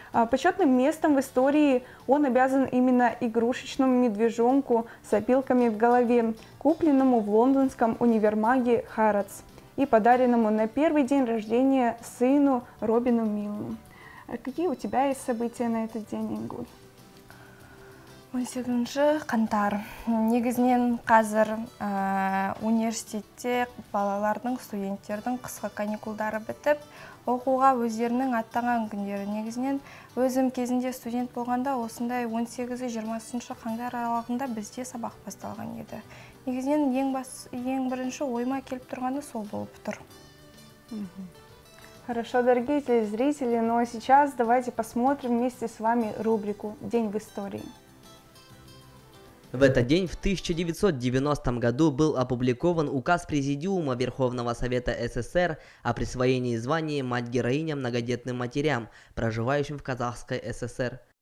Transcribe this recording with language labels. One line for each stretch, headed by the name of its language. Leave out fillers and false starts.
Russian: Почетным местом в истории он обязан именно игрушечному медвежонку с опилками в голове, купленному в лондонском универмаге Harrods и подаренному на первый день рождения сыну Робину Миллену. Какие у тебя есть события на этот день, Ингуль?
Kazakh: 18-ші қаңтар. Негізінен қазір университетте балалардың, студенттердің қысқа каникулдары бітіп, оқуға өздерінің аттаған күндері. Негізінен өзім кезінде студент болғанда осындай 18-20-ші қаңтар аралығында бізде сабақ басталған еді. Негізінен ең бірінші ойыма келіп тұрғаны сол болып тұр.
Russian: Хорошо, дорогие телезрители, но сейчас давайте посмотрим вместе с вами рубрику «День в истории». В этот день в 1990 году был опубликован указ Президиума Верховного Совета СССР о присвоении звания «Мать-героиня» многодетным матерям, проживающим в Казахской ССР.